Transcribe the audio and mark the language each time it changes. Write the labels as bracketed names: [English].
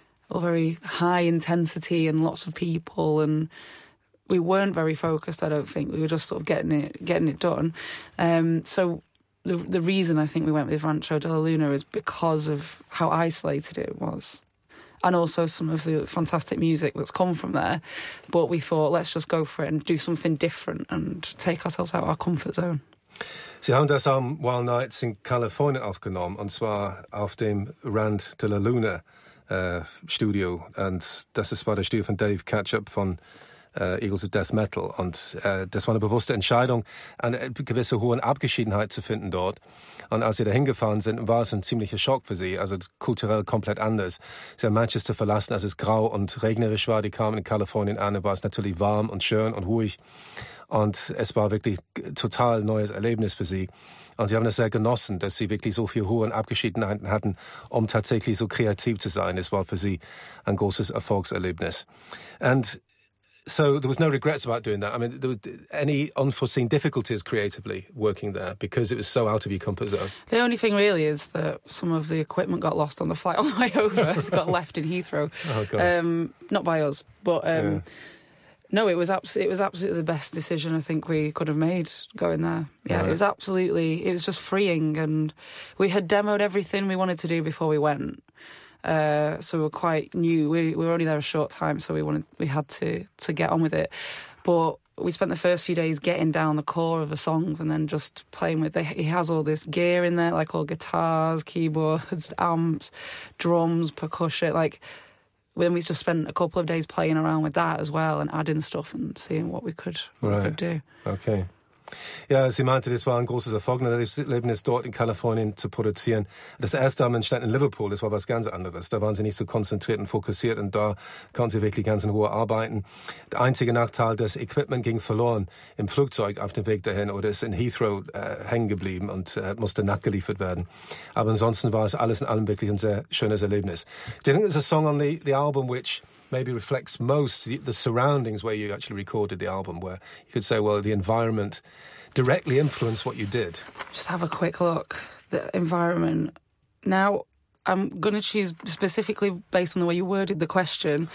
[English] all very high intensity and lots of people, and we weren't very focused, I don't think. We were just sort of getting it done. So the reason I think we went with Rancho de la Luna is because of how isolated it was, and also some of the fantastic music that's come from there. But we thought, let's just go for it and do something different and take ourselves out of our comfort zone. [German] Sie haben das am Wild Nights in California aufgenommen, und zwar auf dem Rand de la Luna Studio. Und das ist das Studio von Dave Ketchup von Eagles of Death Metal. Und das war eine bewusste Entscheidung, eine gewisse hohe Abgeschiedenheit zu finden dort. Und als sie da hingefahren sind, war es ein ziemlicher Schock für sie, also kulturell komplett anders. Sie haben Manchester verlassen, als es grau und regnerisch war. Die kamen in Kalifornien an, und war es natürlich warm und schön und ruhig. Und es war wirklich total neues Erlebnis für sie. Und sie haben es sehr genossen, dass sie wirklich so viel Ruhe und Abgeschiedenheiten hatten, um tatsächlich so kreativ zu sein. Es war für sie ein großes Erfolgserlebnis. [English] Und so there was no regrets about doing that. I mean, there were any unforeseen difficulties creatively working there because it was so out of your comfort zone? The only thing really is that some of the equipment got lost on the flight on the way over. It got left in Heathrow. Oh, God. Not by us, but... No, it was absolutely the best decision I think we could have made going there. Yeah, right. It was just freeing, and we had demoed everything we wanted to do before we went. So we were quite new. We were only there a short time, so we had to get on with it. But we spent the first few days getting down the core of the songs and then just playing with it. He has all this gear in there, like all guitars, keyboards, amps, drums, percussion, like... Then we just spent a couple of days playing around with that as well and adding stuff and seeing what we could, right. We could do. Okay. [German] Ja, sie meinte, das war ein großes Erfolgserlebnis, dort in Kalifornien zu produzieren. Das erste Mal entstand in Liverpool, das war was ganz anderes. Da waren sie nicht so konzentriert und fokussiert, und da konnten sie wirklich ganz in Ruhe arbeiten. Der einzige Nachteil, das Equipment ging verloren im Flugzeug auf dem Weg dahin oder ist in Heathrow hängen geblieben und musste nachgeliefert werden. Aber ansonsten war es alles in allem wirklich ein sehr schönes Erlebnis. [English] Do you think there's a song on the album which... maybe reflects most the surroundings where you actually recorded the album, where you could say, well, the environment directly influenced what you did? Just have a quick look. The environment. Now, I'm going to choose specifically based on the way you worded the question.